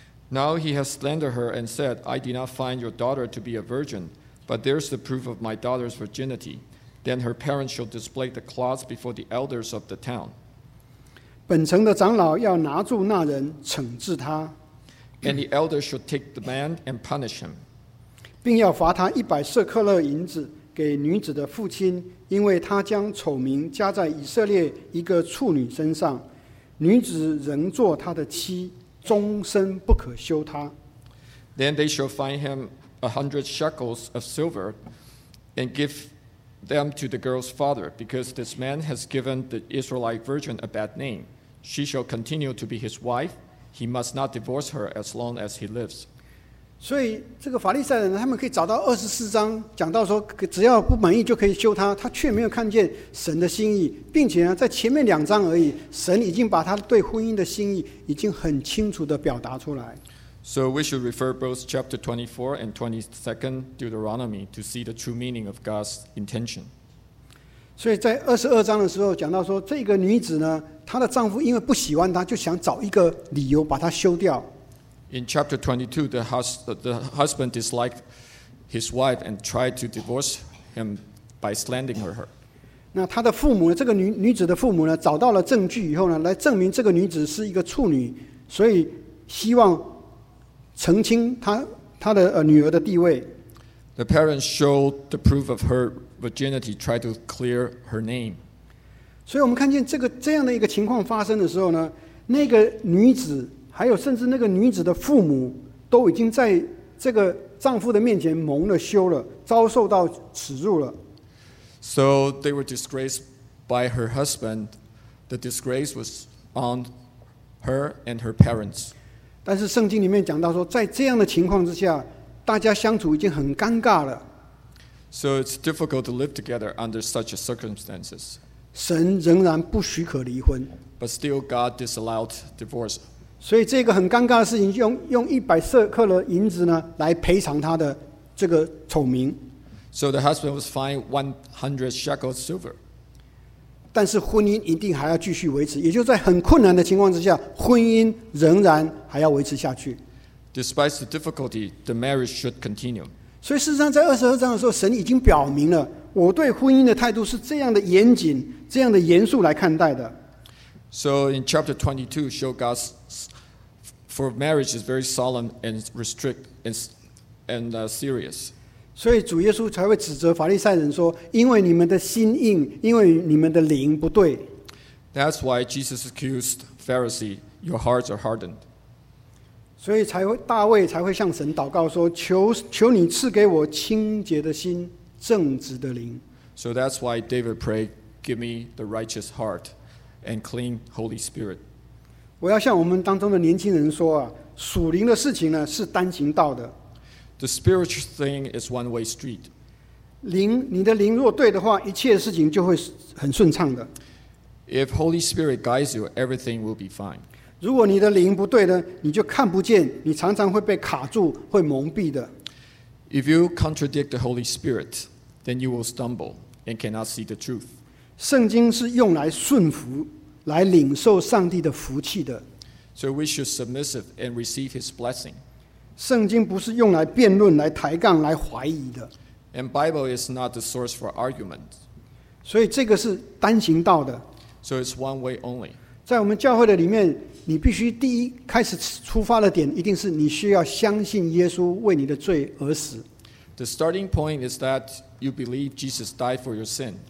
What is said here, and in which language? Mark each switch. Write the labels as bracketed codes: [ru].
[en] Now he has slandered her and said, I did not find your daughter to be a virgin, but there's the proof of my daughter's virginity. Then her parents shall display the cloth before the elders of the town. [zh] 本城的长老要拿住那人，惩治他。 [en] And the elder should take the man and punish him. [zh] 并要罚他一百舍客勒银子给女子的父亲，因为他将丑名加在以色列一个处女身上，女子仍做他的妻，终身不可休他。 [en] Then they shall fine him 100 shekels of silver and give. them to the girl's father, because this man has given the Israelite virgin a bad name. She shall continue to be his wife. He must not divorce her as long as he lives. [zh] 所以这个法利赛人他们可以找到二十四章讲到说，只要不满意就可以休他，他却没有看见神的心意，并且在前面两章而已，神已经把他对婚姻的心意已经很清楚地表达出来。 [en] So we should refer both chapter 24 and 22nd Deuteronomy to see the true meaning of God's intention. [zh] 所以在二十二章的时候讲到说，这个女子呢，她的丈夫因为不喜欢她，就想找一个理由把她休掉。 [en] In chapter 22, the husband disliked his wife and tried to divorce him by slandering her. [zh] 那她的父母，这个女子的父母呢，找到了证据以后呢，来证明这个女子是一个处女，所以希望。澄清 她的女儿的地位。 [en] The parents showed the proof of her virginity, tried to clear her name. [zh] 所以我们看见这样的一个情况发生的时候呢，那个女子还有甚至那个女子的父母都已经在这个丈夫的面前蒙了羞了，遭受到耻辱了。 [en] So they were disgraced by her husband. The disgrace was on her and her parents. [zh] 但是圣经里面讲到说，在这样的情况之下，大家相处已经很尴尬了。 [en] So it's difficult to live together under such circumstances. [zh] 神仍然不许可离婚。 [en] But still, God disallowed divorce. [zh] 所以这个很尴尬的事情，用一百舍客勒银子呢，来赔偿他的这个丑名。 [en] So the husband was fined 100 shekels silver. [zh] 但是婚姻一定还要继续维持，也就是在很困难的情况之下，婚姻仍然。还要维持下去。 [en] Despite the difficulty, the marriage should continue. [zh] 所以事实上，在二十二章的时候，神已经表明了我对婚姻的态度是这样的严谨、这样的严肃来看待的。 [en] So in chapter 22, show God's for marriage is very solemn and strict and serious. [zh] 所以主耶稣才会指责法利赛人说：“因为你们的心硬，因为你们的灵不对。” [en] That's why Jesus accused Pharisees, "Your hearts are hardened." [zh] 所以才会大卫才会向神祷告说：“求你赐给我清洁的心，正直的灵。” [en] So that's why David prayed, "Give me the righteous heart and clean Holy Spirit." [zh] 我要向我们当中的年轻人说啊，属灵的事情呢是单行道的。 [en] The spiritual thing is one-way street. [zh] 灵，你的灵若对的话，一切事情就会很顺畅的。 [en] If Holy Spirit guides you, everything will be fine. [zh] 如果你的灵不对呢，你就看不见，你常常会被卡住，会蒙蔽的。 [en] If you contradict the Holy Spirit, then you will stumble and cannot see the truth. [zh] 圣经是用来顺服，来领受上帝的福气的。 [en] So we should submissive and receive His blessing. [zh] 圣经不是用来辩论、来抬杠、来怀疑的。 [en] And Bible is not the source for argument. [zh] 所以这个是单行道的。 [en] So it's one way only. [zh] 在我们教会的里面，你必须第一开始出发的点一定是你需要相信耶稣为你的罪而死。 [en] The starting point is that you believe Jesus died for your sin.